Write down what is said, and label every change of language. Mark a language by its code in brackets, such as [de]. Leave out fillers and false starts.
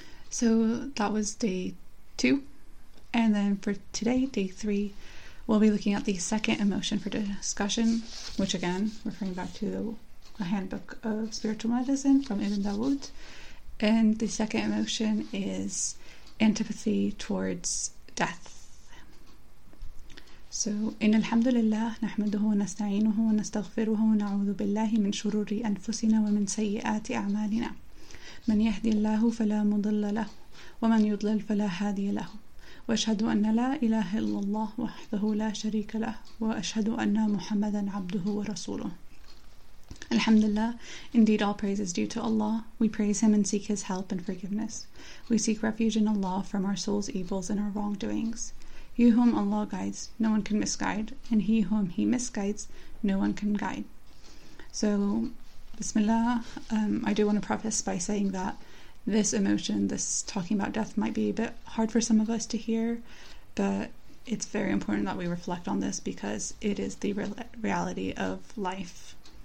[en] So that was day 2. And then for today, day 3, we'll be looking at the second emotion for discussion, which again, referring back to the handbook of spiritual medicine from Ibn Dawood. And the second emotion is antipathy towards death. [ar] So, إن الحمد لله نحمده ونستعينه ونستغفره ونعوذ بالله من شرور أنفسنا ومن سيئات أعمالنا من يهدي الله فلا مضل له ومن يضلل فلا هادي له وأشهد أن لا إله إلا الله وحده لا شريك له وأشهد أن محمدا عبده ورسوله [en] Alhamdulillah, indeed all praise is due to Allah. We praise Him and seek His help and forgiveness. We seek refuge in Allah from our soul's evils and our wrongdoings. He whom Allah guides, no one can misguide, and he whom He misguides, no one can guide. So, Bismillah, I do want to preface by saying that this emotion, this talking about death, might be a bit hard for some of us to hear, but it's very important that we reflect on this because it is the reality of life.